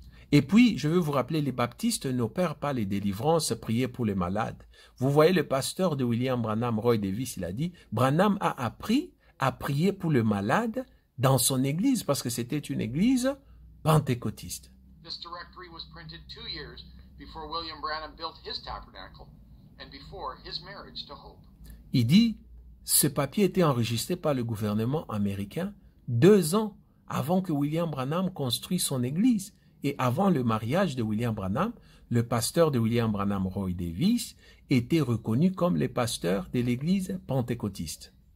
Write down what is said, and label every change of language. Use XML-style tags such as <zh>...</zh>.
<fr>Et puis, je veux vous rappeler, les baptistes n'opèrent pas les délivrances, prier pour les malades. Vous voyez, le pasteur de William Branham, Roy Davis, il a dit, Branham a appris à prier pour le malade dans son église parce que c'était une église pentecôtiste.</fr> <en>This directory was printed 2 years before William Branham built his tabernacle and before his marriage to Hope.</en> <fr>Il dit, ce papier était enregistré par le gouvernement américain 2 ans avant que William Branham construise son église. Et avant le mariage de William Branham, le pasteur de William Branham, Roy Davis, était reconnu comme le pasteur de l'église pentecôtiste.</fr>